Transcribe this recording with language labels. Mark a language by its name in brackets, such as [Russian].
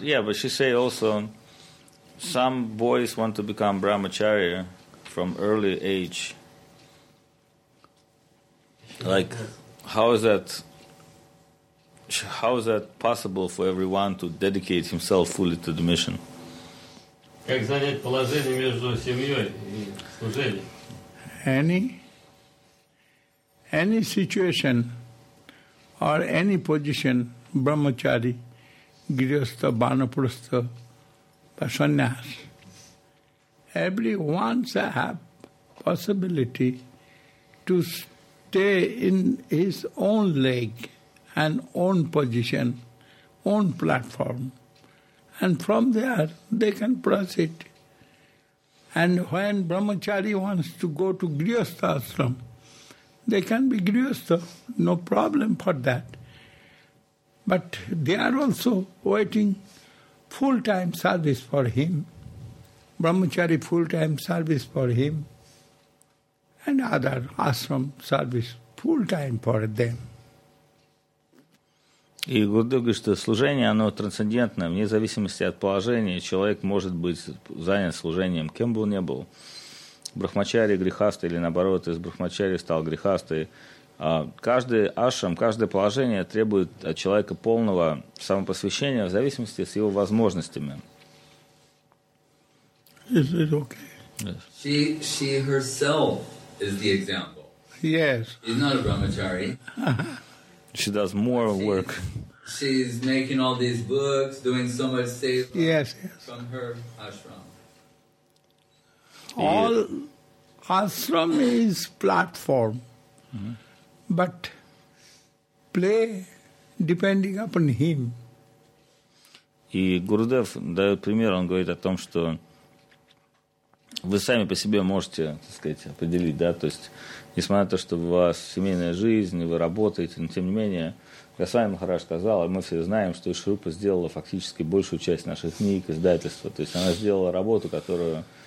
[English] Yeah, but she say also, some boys want to become brahmacharya from early age. Like, how is that possible for everyone to dedicate himself fully to the mission? [Russian] Как занять положение между семьей и служением? [English] Any situation or any position, brahmachari, grihastha, vanaprastha, or sannyas, everyone have possibility to stay in his own leg and own position, own platform. And from there, they can proceed. And when brahmachari wants to go to grihastha ashram, they can be grihastha, no problem for that. But they are also waiting full-time service for him, brahmachari full-time service for him, and other ashram service full-time for them. [Russian] И Гурудев говорит, что служение, оно трансцендентное. Вне зависимости от положения, человек может быть занят служением, кем бы он ни был. Брахмачари, грехасты, или наоборот, из брахмачари стал грехастой. Каждый ашрам, каждое положение требует от человека полного самопосвящения в зависимости с его возможностями. [English] Is it okay? Yes. She herself is the example. Yes. She's not a brahmachari. She does more work. She's making all these books, doing so much seva. Yes, yes. From her ashram. All ashram is platform, but play depending upon him. [Russian] И Гурудев дает пример, он говорит о том, что вы сами по себе можете, так сказать, определить, да, то есть, несмотря на то, что у вас семейная жизнь, вы работаете, но тем не менее, Госвами Махарадж сказал, и мы все знаем, что Ишарупа сделала фактически большую часть наших книг, издательства, то есть она сделала работу, которую